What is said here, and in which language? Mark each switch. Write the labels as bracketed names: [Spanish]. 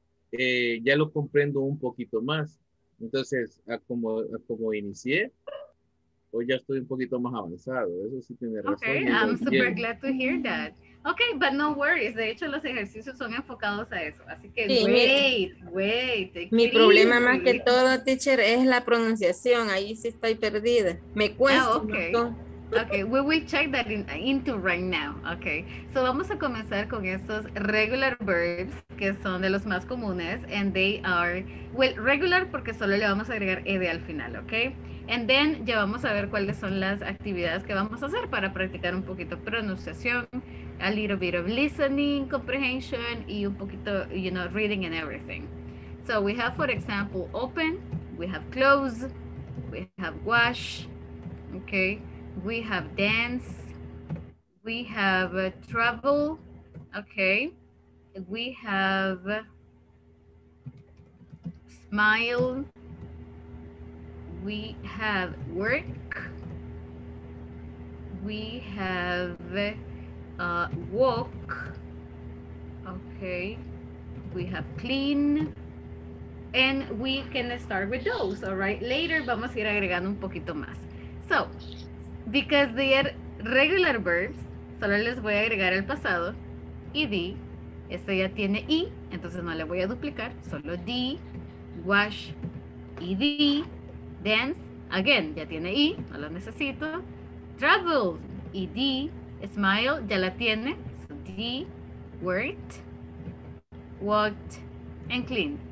[Spanish] Ya lo comprendo un poquito más. Entonces, como inicié, hoy ya estoy un poquito más avanzado. Eso sí tiene razón. [English] Okay, I'm super glad to hear that. Okay, but no worries. [Spanish] De hecho, los ejercicios son enfocados a eso. Así que, sí, wait. Mi problema más que todo, teacher, es la pronunciación. Ahí sí estoy perdida. Me cuesta. [English] Ah, okay. Okay, we will check that into right now. [Spanish] Okay, so vamos a comenzar con estos regular verbs que son de los más comunes, [English] and they are, well, regular [Spanish] porque solo le vamos a agregar ed al final, okay? [English] And then [Spanish] ya vamos a ver cuáles son las actividades que vamos a hacer para practicar un poquito pronunciación, [English] a little bit of listening, comprehension, [Spanish] y un poquito, [English] you know, reading and everything. So we have, for example, open, we have close, we have wash, okay? We have dance, we have travel, okay, we have smile, we have work, we have walk, okay, we have clean, and we can start with those, all right? [Spanish] Later vamos a ir agregando un poquito más. [English] So, because they are regular verbs, [Spanish] solo les voy a agregar el pasado, ed, este ya tiene i, entonces no le voy a duplicar, solo d, wash, ed, dance, again, ya tiene i, no lo necesito, travel, ed, smile, ya la tiene, so d, worked, walked, and clean.